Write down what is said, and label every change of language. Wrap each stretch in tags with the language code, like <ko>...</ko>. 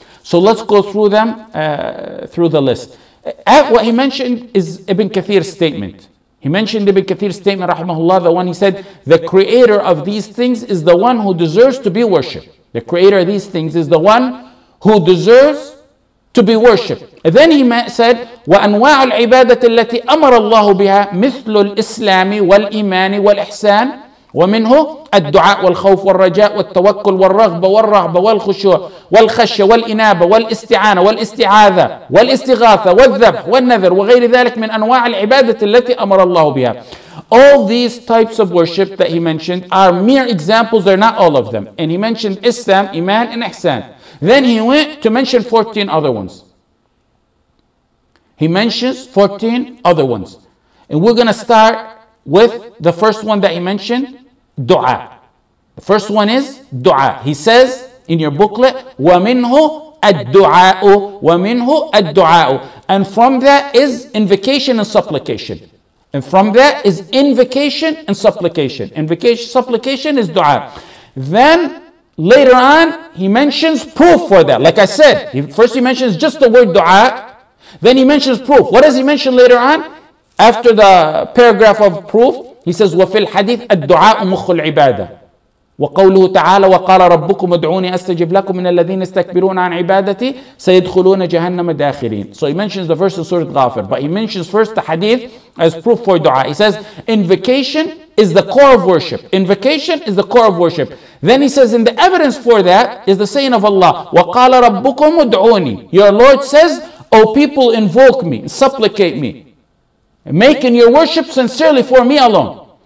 <en>So let's go through them, through the list. What he mentioned is Ibn Kathir's statement. He mentioned Ibn Kathir's statement, rahimahullah, the one he said, the creator of these things is the one who deserves to be worshipped. The creator of these things is the one who deserves to be worshipped. And then he said,</en> <ar>وَأَنْوَاعُ الْعِبَادَةِ الَّتِي أَمَرَ اللَّهُ بِهَا مِثْلُ الْإِسْلَامِ وَالْإِيمَانِ وَالْإِحْسَانِ ومنه الدعاء والخوف والرجاء والتوكل والرغبة والرهبة والخشوع والخشية والإنابة والاستعانة والاستعاذة والاستغاثة والذبح والنذر وغير ذلك من أنواع العبادة التي أمر الله بها.</ar> <en>All these types of worship that he mentioned are mere examples, they're not all of them. And he mentioned Islam, Iman, and Ihsan. Then he went to mention 14 other ones. He mentions 14 other ones. And we're going to start with the first one that he mentioned, dua. The first one is dua. He says in your booklet,</en> <ar>وَمِنْهُ الدُّعَاءُ وَمِنْهُ الدُّعَاءُ.</ar> <en>And from that is invocation and supplication. And from that is invocation and supplication. Invocation, supplication is dua. Then later on, he mentions proof for that. Like I said, he mentions just the word dua. Then he mentions proof. What does he mention later on? After the paragraph of proof, he says,</en> <ar>وَفِي الْحَدِيثِ الدُّعَاءُ مُخُّ الْعِبَادَةِ. وقوله تعالى وقال ربكم ادعوني استجب لكم من الذين استكبرون عن عبادتي سيدخلون جهنم داخلين.</ar> <en>So he mentions the verse of Surah Ghafir, but he mentions first the hadith as proof for dua. He says invocation is the core of worship. Invocation is the core of worship. Then he says, and the evidence for that is the saying of Allah,</en> <ar>وَقَالَ رَبُّكُمُ ادْعُونِي.</ar> <en>Your Lord says, O people, invoke me, supplicate me, making your worship sincerely for me alone.</en>